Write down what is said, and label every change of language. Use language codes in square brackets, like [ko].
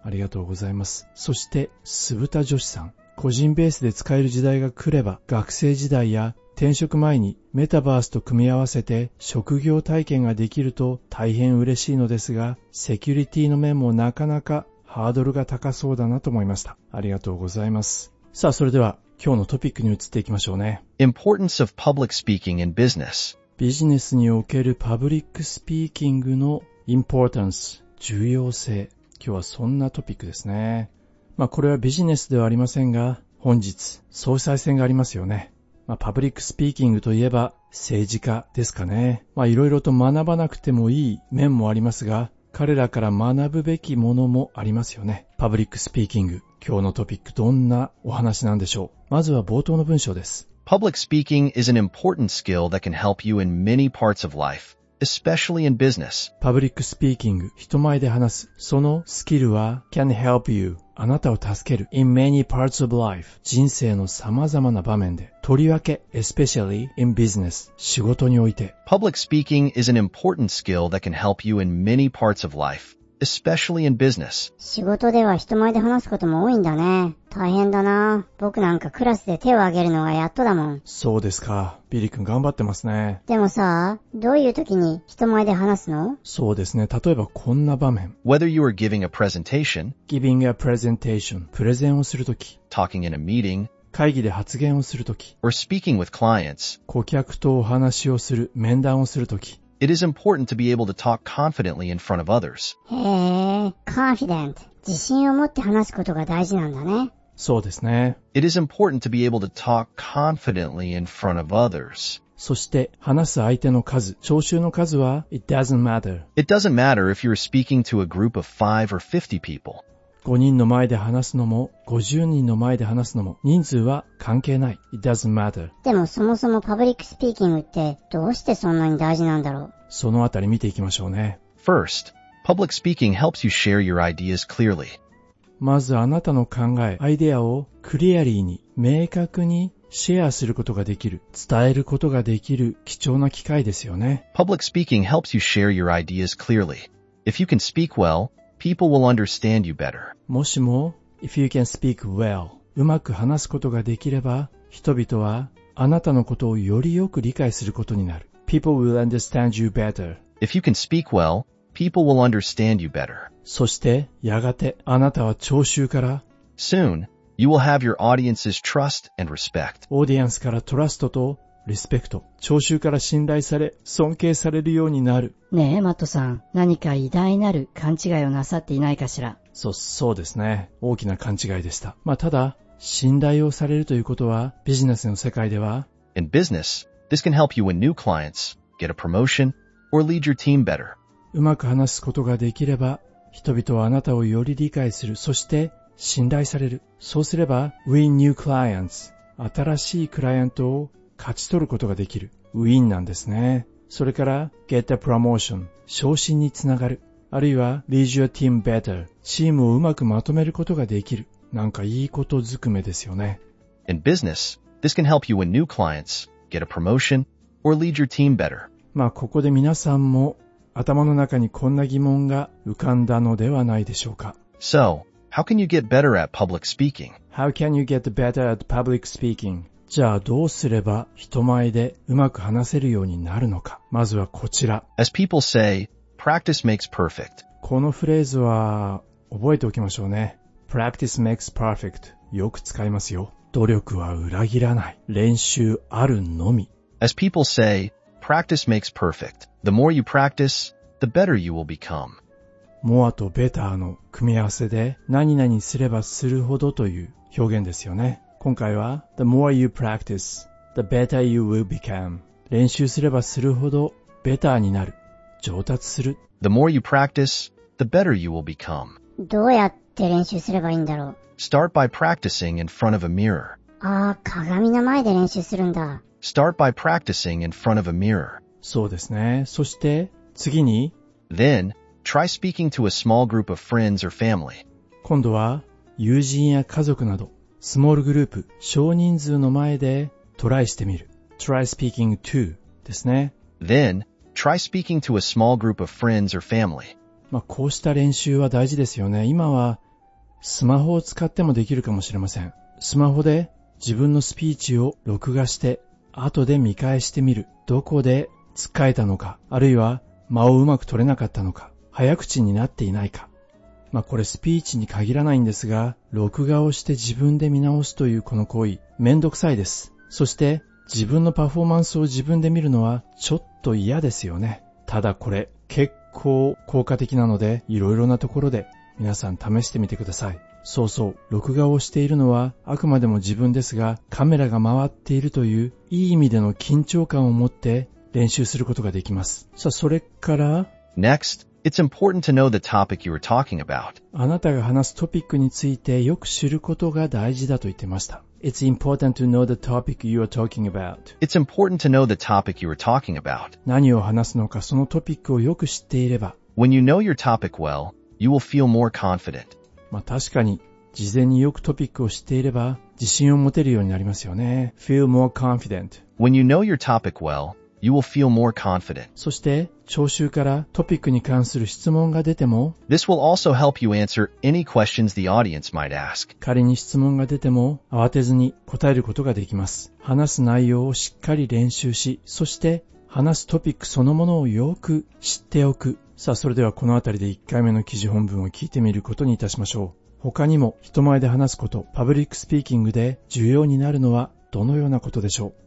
[ja] ありがとうございます。そして、すぶた女子さん。個人ベースで使える時代が来れば、学生時代や転職前にメタバースと組み合わせて職業体験ができると大変嬉しいのですが、セキュリティの面もなかなかハードルが高そうだなと思いました。ありがとうございます。さあ、それでは今日のトピックに移っていきましょうね。 [en] Importance of public speaking in business. [ja] ビジネスにおけるパブリックスピーキングの importance。重要性。今日はそんなトピックですね。まあこれはビジネスではありませんが、本日総裁選がありますよね。まあパブリックスピーキングといえば政治家ですかね。まあいろいろと学ばなくてもいい面もありますが、彼らから学ぶべきものもありますよね。パブリックスピーキング。今日のトピック、どんなお話なんでしょう。まずは冒頭の文章です。 [en] Public speaking is an important skill that can help you in many parts of life. Especially in business. [ja] パブリックスピーキング、人前で話す。そのスキルは [en] can help you、 [ja] あなたを助ける。 [en] In many parts of life、 [ja] 人生の様々な場面で。とりわけ [en] especially in business、 [ja] 仕事において。 [en] Public speaking is an important skill that can help you in many parts of life. Especially in business. [ja] 仕事では人前で話すことも多いんだね。大変だな。僕なんかクラスで手を挙げるのがやっとだもん。そうですか。ビリ君頑張ってますね。でもさ、どういう時に人前で話すの？そうですね。例えばこんな場面。 [en] Whether you are giving a presentation, giving a presentation, [ja] プレゼンをするとき、 [en] talking in a meeting, [ja] 会議で発言をするとき、 [en] or speaking with clients, [ja] 顧客とお話をする、面談をするとき、 [en] It is important to be able to talk confidently in front of others. Confident. [ja] 自信を持って話すことが大事なんだね。そうですね。 [en] It is important to be able to talk confidently in front of others. [ja] そして話す相手の数、聴衆の数は [en] It doesn't matter. It doesn't matter if you are speaking to a group of 5 or 50 people. [ja] 5人の前で話すのも50人の前で話すのも人数は関係ない。 [en] It doesn't matter. [ja] でもそもそもパブリックスピーキングってどうしてそんなに大事なんだろう。そのあたり見ていきましょうね。 [en] First, public speaking helps you share your ideas clearly. [ja] まずあなたの考え、アイデアをクリアリーに、明確にシェアすることができる、伝えることができる貴重な機会ですよね。 [en] Public speaking helps you share your ideas clearly. If you can speak well,People will understand you better. [ja] もしも、 [en] if you can speak well, [ja] うまく話すことができれば、人々はあなたのことをよりよく理解することになる。 [en] People will understand you better. If you can speak well, people will understand you better. [ja] そして、やがて、あなたは聴衆から、 [en] Soon, You will have your audience's trust and respect. [ja] オーディエンスからトラストとリスペクト、聴衆から信頼され尊敬されるようになる。ねえマットさん、何か偉大なる勘違いをなさっていないかしら。そうですね、大きな勘違いでした。まあただ信頼をされるということはビジネスの世界では [en] In business, this can help you win new clients, get a promotion, or lead your team better. [ja] うまく話すことができれば人々はあなたをより理解する、そして信頼される。そうすれば [en] Win new clients、 [ja] 新しいクライアントを勝ち取ることができる。 Win なんですね。それから [en] Get a promotion、 [ja] 昇進につながる。あるいは [en] Lead your team better、 [ja] チームをうまくまとめることができる。なんかいいことづくめですよね。 [en] In business, this can help you win new clients, get a promotion, or lead your team better. [ja] まあここで皆さんも頭の中にこんな疑問が浮かんだのではないでしょうか。 [en] So, how can you get better at public speaking? How can you get better at public speaking? [ja] じゃあどうすれば人前でうまく話せるようになるのか。まずはこちら。 [en] As people say, practice makes perfect. [ja] このフレーズは覚えておきましょうね。 [en] Practice makes perfect. [ja] よく使いますよ。努力は裏切らない。練習あるのみ。 [en] As people say, practice makes perfect. The more you practice, the better you will become. [ja] More と better の組み合わせで何々すればするほどという表現ですよね。今回は [en] The more you practice, the better you will become. [ja] 練習すればするほど better になる。上達する。 [en] The more you practice, the better you will become. [ja] どうやってって練習すればいいんだろう。 [en] Start by practicing in front of a mirror. [ja] ああ、鏡の前で練習するんだ。 [en] Start by practicing in front of a mirror. [ja] そうですね。そして、次に。 [en] Then, try speaking to a small group of friends or family. [ja] 今度は、友人や家族など、スモールグループ、少人数の前でトライしてみる。 [en] Try speaking to [ja] ですね。 [en] Then, try speaking to a small group of friends or family. [ja] まあ、こうした練習は大事ですよね。今はスマホを使ってもできるかもしれません。スマホで自分のスピーチを録画して後で見返してみる。どこでつっかえたのか、あるいは間をうまく取れなかったのか、早口になっていないか。まあこれスピーチに限らないんですが、録画をして自分で見直すというこの行為、めんどくさいです。そして自分のパフォーマンスを自分で見るのはちょっと嫌ですよね。ただこれ結構効果的なので、いろいろなところで皆さん試してみてください。そうそう、録画をしているのはあくまでも自分ですが、カメラが回っているといういい意味での緊張感を持って練習することができます。さあそれから、 [en] Next, it's important to know the topic you were talking about. [ja] あなたが話すトピックについてよく知ることが大事だと言ってました。 [en] It's important to know the topic you are talking about. It's important to know the topic you are talking about. [ja] 何を話すのか、そのトピックをよく知っていれば、 [en] When you know your topic well, you will feel more confident. [ja] まあ確かに、事前によくトピックを知っていれば自信を持てるようになりますよね。 [en] Feel more confident. When you know your topic well, you will feel more confident. [ja] そして聴衆からトピックに関する質問が出ても、 [en] This will also help you answer any questions the audience might ask. [ja] 仮に質問が出ても慌てずに答えることができます。話す内容をしっかり練習し、そして話すトピックそのものをよく知っておく。さあそれではこのあたりで1回目の記事本文を聞いてみることにいたしましょう。他にも人前で話すこと、パブリックスピーキングで重要になるのはどのようなことでしょう。